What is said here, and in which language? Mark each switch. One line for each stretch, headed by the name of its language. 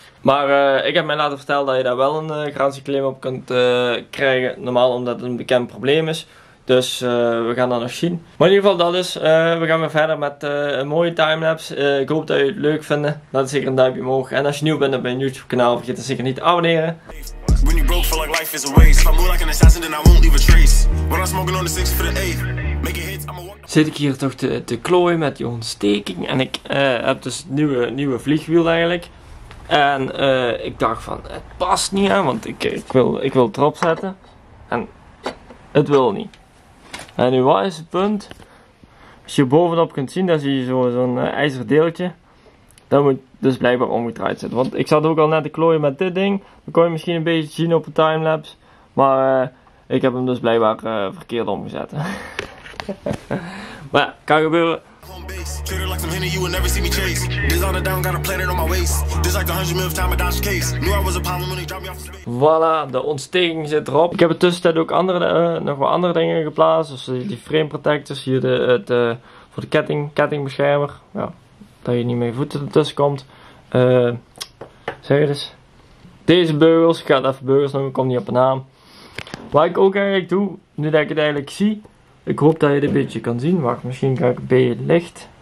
Dutch: Maar ik heb mij laten vertellen dat je daar wel een garantieclaim op kunt krijgen. Normaal omdat het een bekend probleem is. Dus we gaan dat nog zien. Maar in ieder geval dat is. We gaan weer verder met een mooie timelapse. Ik hoop dat jullie het leuk vinden. Laat zeker een duimpje omhoog. En als je nieuw bent op mijn YouTube kanaal, vergeet dan zeker niet te abonneren.
English: When you broke, feel like life is a waste. If I move like an assassin, then I won't leave a trace. When I'm smoking on the 6 for the 8. Make it hits, I'm a walk.
Dutch: Zit ik hier toch te klooien met die ontsteking. En ik heb dus het nieuwe vliegwiel eigenlijk. En ik dacht van, het past niet aan, want ik wil het erop zetten. En het wil niet. En nu, wat is het punt? Als je bovenop kunt zien, dan zie je zo'n ijzeren deeltje. Dat moet dus blijkbaar omgedraaid zitten. Want ik zat ook al net te klooien met dit ding. Dat kon je misschien een beetje zien op de timelapse. Maar ik heb hem dus blijkbaar verkeerd omgezet. Maar ja, kan gebeuren.
English: Treated like some henny, you will never see me chase. This on the down, got a planet on my waist. This like the 100 mil of time, I dodged case. Knew I was a problem when he dropped me off the space.
Dutch: Voilà, de ontsteking zit erop. Ik heb er tussentijd ook nog wel andere dingen geplaatst. Dus die frame protectors, hier voor de kettingbeschermer. Ja, dat je niet met je voeten ertussen komt. Zeg het eens. deze beugels, ik ga het even beugels noemen, ik kom niet op een naam. Wat ik ook eigenlijk doe, nu dat ik het eigenlijk zie, ik hoop dat je het een beetje kan zien, wacht, misschien ga ik een beetje licht.